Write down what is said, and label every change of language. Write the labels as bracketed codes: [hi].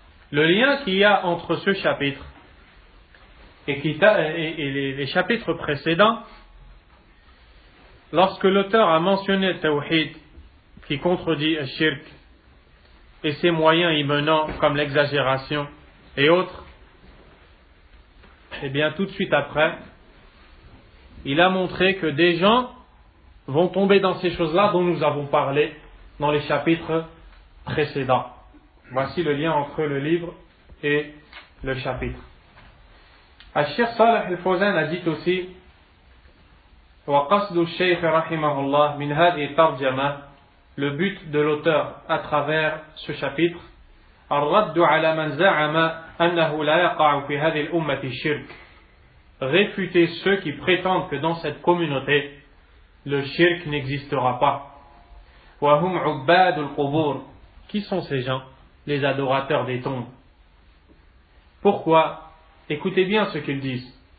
[fr] Le lien qu'il y a entre ce chapitre et les chapitres précédents, lorsque l'auteur a mentionné le tawhid qui contredit le shirk et ses moyens y menant comme l'exagération et autres, et bien tout de suite après, il a montré que des gens vont tomber dans ces choses-là dont nous avons parlé dans les chapitres précédents. Voici le lien entre le livre et le chapitre. Al-Sheikh Salah al-Fawzan a dit aussi [ar] وَقَصْدُ الشَّيْخِ رَحِمَهُ اللَّهِ مِنْ هَذِي تَرْجَمَا. [fr] Le but de l'auteur à travers ce chapitre [ar] الرَّدُّ عَلَى مَنْ زَعَمَا أَنَّهُ لَا يَقَعُ فِي هَذِي الْأُمَّةِ الشِّرْكِ. [fr] Réfuter ceux qui prétendent que dans cette communauté le shirk n'existera pas. [ar] وَهُمْ عُبَّادُ الْقُبُورِ. [fr] Qui sont ces gens, les adorateurs des tombes? Pourquoi? Écoutez bien ce qu'ils disent.